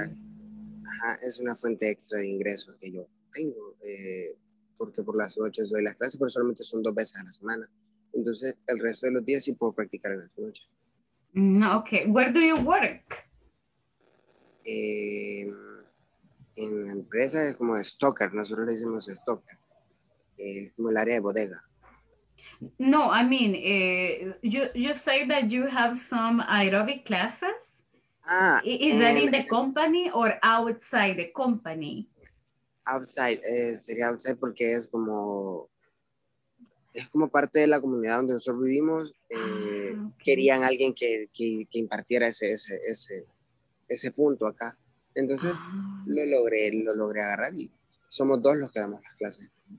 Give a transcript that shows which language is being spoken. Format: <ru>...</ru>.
<es>Ajá, es una fuente extra de ingresos que yo tengo, porque por las noches doy las clases, pero solamente son dos veces a la semana. Entonces el resto de los días sí puedo practicar en las noches.</es> <en>No, okay. Where do you work?</en> <es>En la empresa es como stocker, nosotros le decimos stocker, es como el área de bodega.</es> <en>No, I mean, you say that you have some aerobic classes. Ah. Is that in the company or outside the company?</en> <es>Outside, sería outside porque es como parte de la comunidad donde nosotros vivimos. Okay. Querían alguien que impartiera ese punto acá. Entonces, lo logré agarrar y somos dos los que damos las clases.</es>